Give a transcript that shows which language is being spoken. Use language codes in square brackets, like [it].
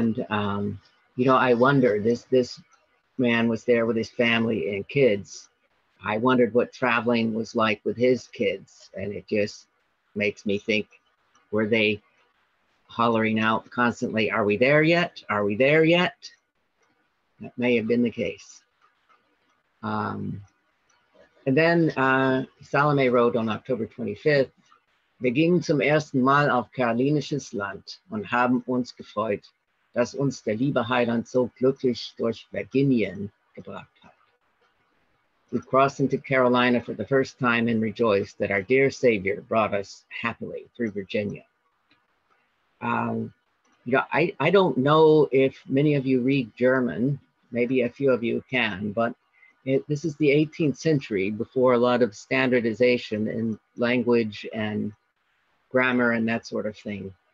[en] I wonder, this man was there with his family and kids. I wondered what traveling was like with his kids. And it just makes me think, were they hollering out constantly, "Are we there yet? Are we there yet?" That may have been the case. Salome wrote on October 25th, [de] "Wir gingen zum ersten Mal auf karolinisches Land und haben uns gefreut, dass uns der liebe Heiland so glücklich durch Virginien gebracht hat." [en] We crossed into Carolina for the first time and rejoiced that our dear Savior brought us happily through Virginia. I don't know if many of you read German. Maybe a few of you can, but this is the 18th century before a lot of standardization in language and grammar and that sort of thing.